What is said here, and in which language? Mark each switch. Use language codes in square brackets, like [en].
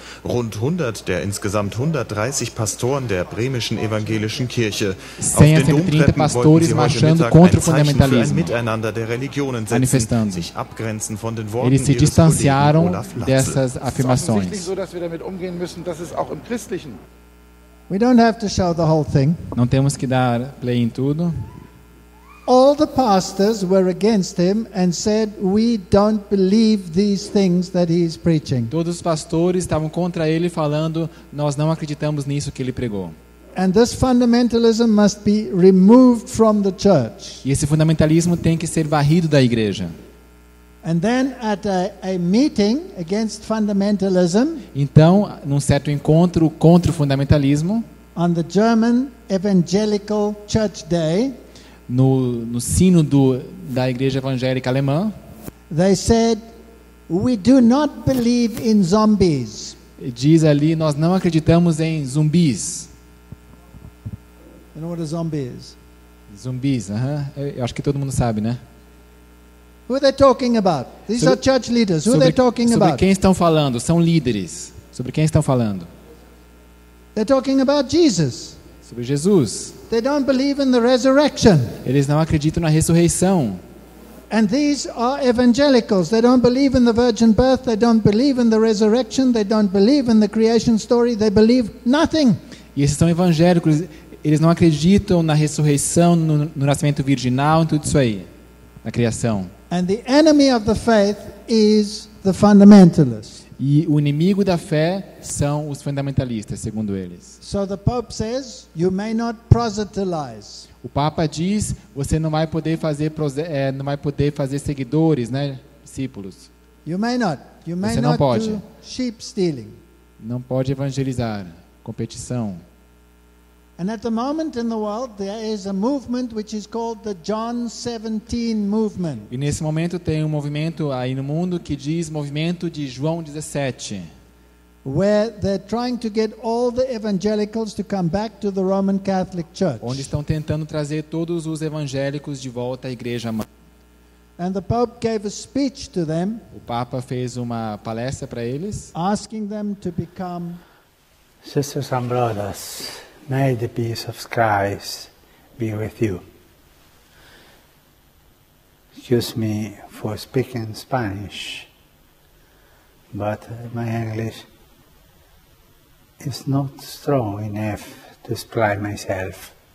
[de] Rund 100 der insgesamt 130 Pastoren der bremischen evangelischen Kirche auf den Domtreppen wollten sie heute Mittag ein Zeichen für ein Miteinander der Religionen setzen, sich abgrenzen von den Worten ihres Kollegen Olaf Latzel. Es ist offensichtlich so, dass wir damit umgehen müssen, dass es auch im Christlichen. [en] We don't have to show the whole thing. [pt] Não temos que dar play em tudo. [en] All the pastors were against him and said, "We don't believe these things that he is preaching." [pt] Todos os pastores estavam contra ele falando, "Nós não acreditamos nisso que ele pregou." [en] And this fundamentalism must be removed from the church. [pt] E esse fundamentalismo tem que ser varrido da igreja. [en] And then at a meeting against fundamentalism, [pt] então, num certo encontro contra o fundamentalismo, [en] on the German Evangelical Church Day, [pt] no sino da Igreja Evangélica Alemã, [en] they said, "We do not believe in zombies." [pt] Diz ali, nós não acreditamos em zumbis. [en] You know what a zombie is? [pt] Zumbis, eu acho que todo mundo sabe, né? [en] Who are they talking about? These are church leaders. Who are they talking about? [pt] Sobre quem estão falando? São líderes. Sobre quem estão falando? [en] They're talking about Jesus. [pt] Sobre Jesus. [en] They don't believe in the resurrection. [pt] Eles não acreditam na ressurreição. [en] And these are evangelicals. They don't believe in the virgin birth, they don't believe in the resurrection, they don't believe in the creation story, they believe nothing. [pt] E esses são evangélicos, eles não acreditam na ressurreição, no nascimento virginal, em tudo isso aí, na criação. [en] And the enemy of the faith is the fundamentalist. [pt] E o inimigo da fé são os fundamentalistas, segundo eles. [en] So the Pope says, you may not proselytize. [pt] O Papa diz, você não vai poder fazer seguidores, né, discípulos. [en] You may not. [pt] Você não pode. [en] Sheep stealing. [pt] Não pode evangelizar, competição. [en] And at the moment in the world there is a movement which is called the John 17 movement. [pt] E nesse momento tem um movimento aí no mundo que diz movimento de João 17. [en] Where they're trying to get all the evangelicals to come back to the Roman Catholic Church. [pt] Onde estão tentando trazer todos os evangélicos de volta à igreja mãe. [en] And the Pope gave a speech to them. [pt] O Papa fez uma palestra para eles. [en] Asking them to become sisters and brothers. May the peace of Christ be with you. Excuse me for speaking Spanish, but my English is not strong enough to explain myself.